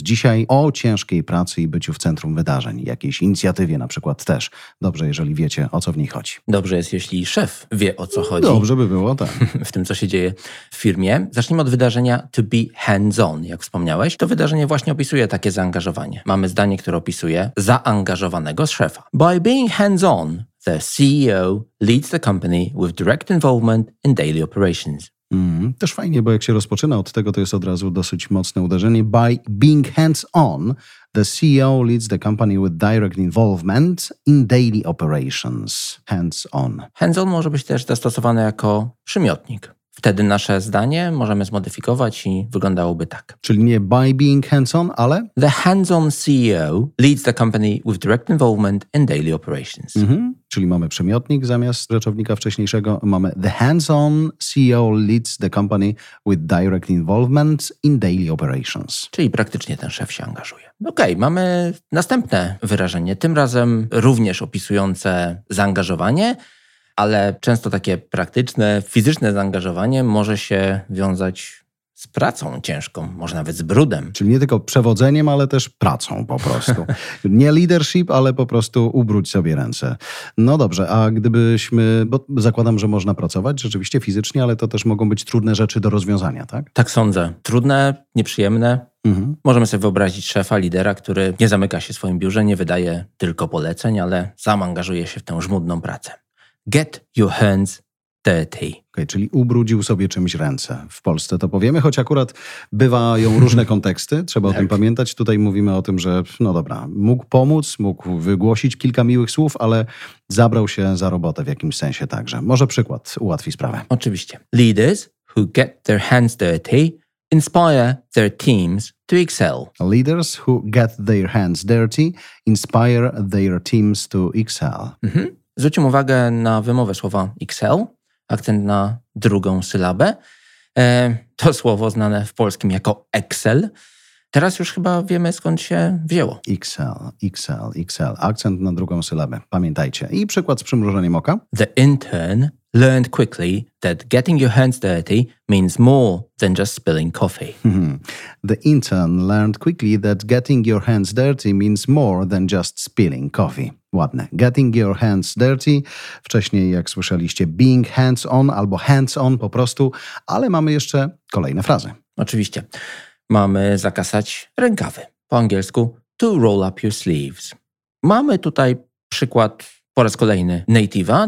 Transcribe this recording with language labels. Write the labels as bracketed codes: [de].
[pl] Dzisiaj o ciężkiej pracy i byciu w centrum wydarzeń, jakiejś inicjatywie na przykład też. Dobrze, jeżeli wiecie, o co w niej chodzi. Dobrze jest, jeśli szef wie, o co chodzi. Dobrze by było, tak. W tym, co się dzieje w firmie. Zacznijmy od wydarzenia [en] to be hands-on, [pl] jak wspomniałeś. To wydarzenie właśnie opisuje takie zaangażowanie. Mamy zdanie, które opisuje zaangażowanego szefa. [en] By being hands-on, the CEO leads the company with direct involvement in daily operations. [pl] Też fajnie, bo jak się rozpoczyna od tego, to jest od razu dosyć mocne uderzenie. [en] By being hands-on, the CEO leads the company with direct involvement in daily operations. Hands-on. [pl] Hands-on może być też zastosowane jako przymiotnik. Wtedy nasze zdanie możemy zmodyfikować i wyglądałoby tak. Czyli nie [en] by being hands-on, [pl] ale? [en] The hands-on CEO leads the company with direct involvement in daily operations. [pl] Czyli mamy przymiotnik zamiast rzeczownika wcześniejszego. Mamy [en] the hands-on CEO leads the company with direct involvement in daily operations. [pl] Czyli praktycznie ten szef się angażuje. Okej, mamy następne wyrażenie, tym razem również opisujące zaangażowanie. Ale często takie praktyczne, fizyczne zaangażowanie może się wiązać z pracą ciężką, może nawet z brudem. Czyli nie tylko przewodzeniem, ale też pracą po prostu. Nie leadership, ale po prostu ubrudź sobie ręce. No dobrze, a gdybyśmy, bo zakładam, że można pracować rzeczywiście fizycznie, ale to też mogą być trudne rzeczy do rozwiązania, tak? Tak sądzę. Trudne, nieprzyjemne. Możemy sobie wyobrazić szefa, lidera, który nie zamyka się w swoim biurze, nie wydaje tylko poleceń, ale sam angażuje się w tę żmudną pracę. [en] Get your hands dirty. [pl] Okay, czyli ubrudził sobie czymś ręce. W Polsce to powiemy, choć akurat bywają różne konteksty, trzeba o tym pamiętać. Tutaj mówimy o tym, że no dobra, mógł pomóc, mógł wygłosić kilka miłych słów, ale zabrał się za robotę w jakimś sensie także. Może przykład ułatwi sprawę. Oczywiście. [en] Leaders who get their hands dirty inspire their teams to excel. Leaders who get their hands dirty inspire their teams to excel. [pl] Zwróćmy uwagę na wymowę słowa Excel, akcent na drugą sylabę. To słowo znane w polskim jako Excel. Teraz już chyba wiemy, skąd się wzięło. Excel, Excel, Excel. Akcent na drugą sylabę. Pamiętajcie. I przykład z przymrużeniem oka. [en] The intern learned quickly that getting your hands dirty means more than just spilling coffee. The intern learned quickly that getting your hands dirty means more than just spilling coffee. [pl] Ładne. [en] Getting your hands dirty. [pl] Wcześniej, jak słyszeliście, [en] being hands-on [pl] albo [en] hands-on [pl] po prostu. Ale mamy jeszcze kolejne frazy. Oczywiście. Mamy zakasać rękawy. Po angielsku to [en] roll up your sleeves. [pl] Mamy tutaj przykład po raz kolejny native'a.